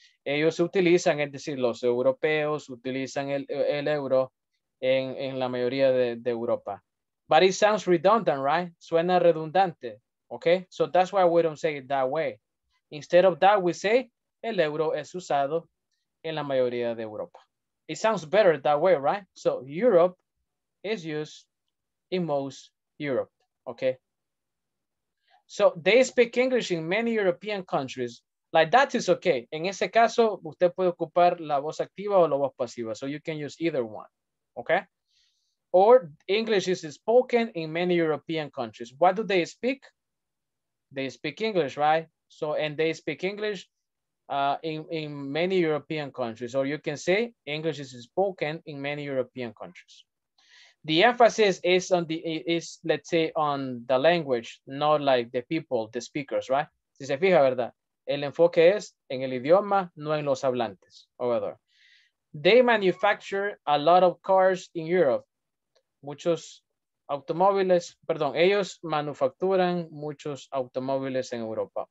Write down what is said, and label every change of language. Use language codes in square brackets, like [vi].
[es] Ellos utilizan, es decir, los europeos utilizan el euro en la mayoría de Europa. [en] But it sounds redundant, right? [es] Suena redundante, [en] okay? So that's why we don't say it that way. Instead of that, we say [es] el euro es usado en la mayoría de Europa. [en] It sounds better that way, right? So Europe is used in most Europe, okay? So they speak English in many European countries. Like that is okay. [es] En ese caso, usted puede ocupar la voz activa o la voz pasiva. [en] So you can use either one, okay? Or English is spoken in many European countries. What do they speak? They speak English, right? So, and they speak English in many European countries. Or you can say English is spoken in many European countries. The emphasis is on the the language, not like the people, the speakers, right? [es] Si se fija, ¿verdad? El enfoque es en el idioma, no en los hablantes. [en] Over. They manufacture a lot of cars in Europe. [es] Muchos automóviles, perdón, ellos manufacturan muchos automóviles en Europa.